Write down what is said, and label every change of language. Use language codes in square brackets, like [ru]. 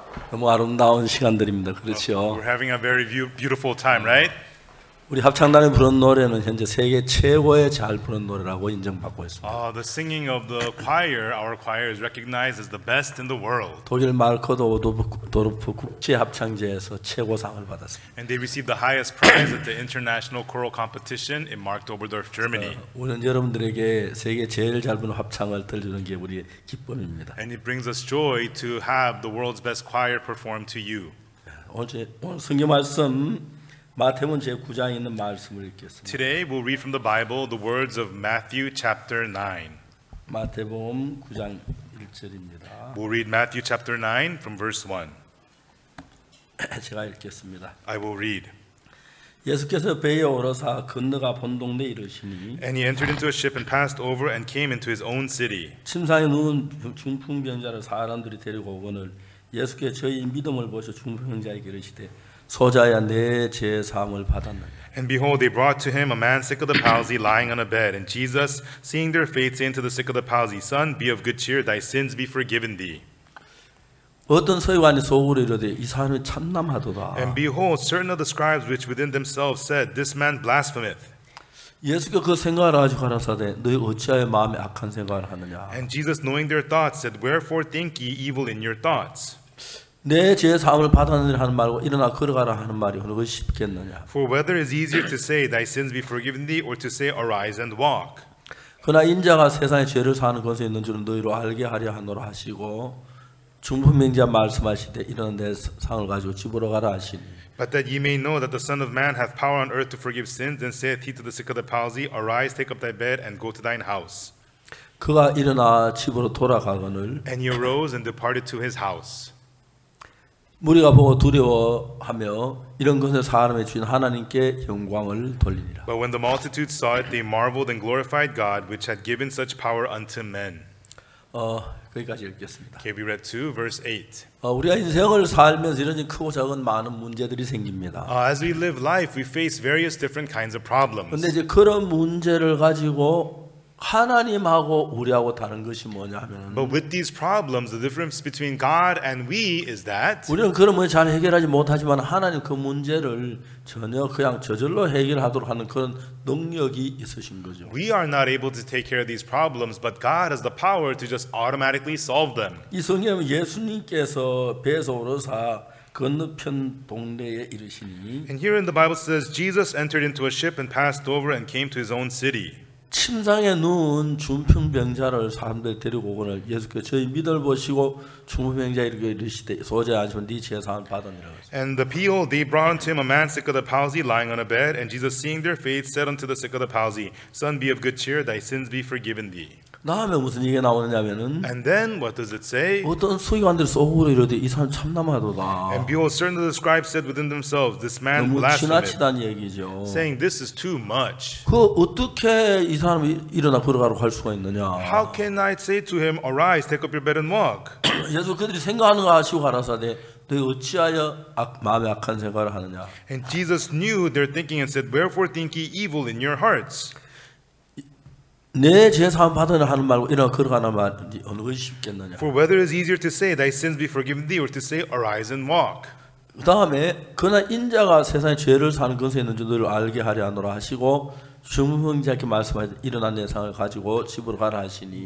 [ko] 너무 아름다운 시간들입니다. 그렇죠? [en] We're having a very beautiful time, right? [ko] 우리 합창단이 부른 노래는 현재 세계 최고의 잘 부른 노래라고 인정받고 있습니다. [en] The singing of the choir, our choir is recognized as the best in the world. [ko] 독일 마르코도 도르프 국제 합창제에서 최고상을 받았습니다. [en] And they received the highest prize at the international choral competition in Marktoberdorf, Germany. [ko] 우리 여러분들에게 세계 제일 잘 부른 합창을 들려주는 게 우리의 기쁨입니다. [en] And it brings us joy to have the world's best choir perform to you. [ko] 오늘 성경 말씀 마태복음 제9장에 있는 말씀을 읽겠습니다. [en] Today we'll read from the Bible the words of Matthew chapter 9. [ko] 마태복음 9장 1절입니다. [en] We'll read Matthew chapter 9 from verse 1. [ko] 제가 읽겠습니다. [en] I will read. [ko] 예수께서 배에 오르사 건너가 본 동네에 이르시니 [en] And he entered into a ship and passed over and came into his own city. [ko] 침상에 누운 중풍병자를 사람들이 데리고 오거늘 예수께 저희 믿음을 보시어 중풍병자에게 이르시되 소자야 내 죄 사함을 받았느니라. [en] And behold, they brought to him a man sick of the palsy, lying on a bed. And Jesus, seeing their faith, said to the sick of the palsy, "Son, be of good cheer; thy sins be forgiven thee." [ko] 어떤 서기관이 속으로 이르되 이 사람이 참남하도다. [en] And behold, certain of the scribes, which within themselves said, "This man blasphemeth." [ko] 예수께 그 생각을 아주 가라사대 너희 어찌하여 마음에 악한 생각을 하느냐. [en] And Jesus, knowing their thoughts, said, "Wherefore think ye evil in your thoughts?" [ko] 내 죄 사함을 받았느니라 하는 말고 일어나 걸어가라 하는 말이 어느 것이 쉽겠느냐? [en] For whether it is easier to say thy sins be forgiven thee, or to say arise and walk. [ko] 그러나 인자가 세상에 죄를 사하는 것에 있는 줄은 너희로 알게 하려 하노라 하시고 중풍병자 말씀하시되 일어나 내 상을 가지고 집으로 가라 하시니. [en] But that ye may know that the Son of Man hath power on earth to forgive sins, then saith he to the sick of the palsy, Arise, take up thy bed, and go to thine house. [ko] 그가 일어나 집으로 돌아가거늘. [en] And he arose and departed to his house. [ko] 무리가 보고 두려워하며 이런 것을 사람의 주인 하나님께 영광을 돌리니라. [en] But when the multitude saw it, they marveled and glorified God, which had given such power unto men. [ko] 거기까지 읽겠습니다. [en] Okay, we read 2, verse 8. [ko] 우리가 인생을 살면서 이런 크고 작은 많은 문제들이 생깁니다. [en] As we live life, we face various different kinds of problems. [ko] 근데 이제 그런 문제를 가지고 하나님하고 우리하고 다른 것이 뭐냐면 [en] But with these problems, the difference between God and we is that [ko] 우리는 그런 문제 잘 해결하지 못하지만 하나님 그 문제를 전혀 그냥 저절로 해결하도록 하는 그런 능력이 있으신 거죠. [en] We are not able to take care of these problems, but God has the power to just automatically solve them. [ko] 이 성경은 예수님께서 배에서 오르사 건너편 동네에 이르시니 [en] And here in the Bible says Jesus entered into a ship and passed over and came to his own city. [ko] 침상에 누운 중풍병자를 사람들 데리고 오거늘 예수께 저희 믿음을 보시고 중풍병자 이렇게 이르시되 소자야 아니면 네 죄 사함 받으니라. [en] And the people they brought unto him a man sick of the palsy lying on a bed and Jesus seeing their faith said unto the sick of the palsy son be of good cheer thy sins be forgiven thee. [ko] 다음에 무슨 얘기가 나오느냐면은 [en] And then what does it say? [ko] 어떤 서기관들 속으로 이르되 이 사람 참남하도다. [en] And behold certain of the scribes said within themselves this man blasphemeth. [ko] 너무 지나치다는 얘기죠. [en] Saying this is too much. [ko] 그 어떻게 이 사람이 일어나 걸어가라고 할 수가 있느냐? [en] How can I say to him arise take up your bed and walk? [ko] 예수 그들이 생각하는 거 아시고 가라사대 너희 어찌하여 마음에 악한 생각을 하느냐? [en] And Jesus knew their thinking and said wherefore think ye evil in your hearts? [ko] 내 죄 사함 받으라 하는 말고 이런 걸어가나 말이 어느 것이 쉽겠느냐? [en] For whether it is easier to say thy sins be forgiven thee or to say arise and walk. [ko] 그다음에 그러나 인자가 세상에 죄를 사는 것에 있는 줄을 알게 하려 하노라 하시고 중풍병자께 말씀하되 일어나 내 상을 가지고 집으로 가라 하시니.